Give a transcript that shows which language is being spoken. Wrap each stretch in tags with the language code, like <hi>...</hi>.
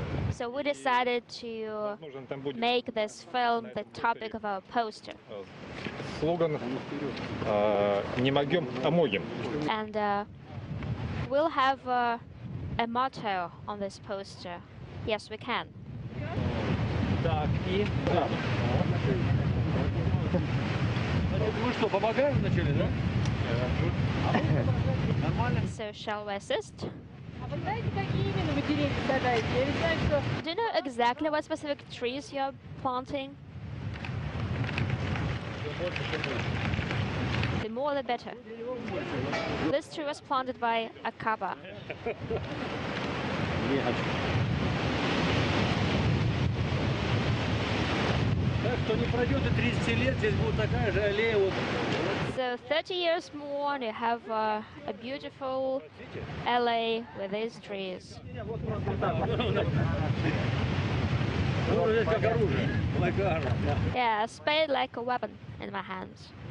<en>So we decided to make this film the topic of our poster.</en> <ru>Слоган не могем, а можем.</ru> <en>And we'll have a motto on this poster. Yes, we can.</en> <ru>Так, и мы что, помогаем вначале, да? Нормально.</ru> <en>So shall we assist? Do you know exactly what specific trees you're planting? The more the better. This tree was planted by Akaba.</en> <ru>Кто не пройдет и 30 лет, здесь будет такая же аллея вот.</ru> <en>So 30 years more, and you have a beautiful LA with these trees. Yeah, a spade like a weapon in my hands.</en>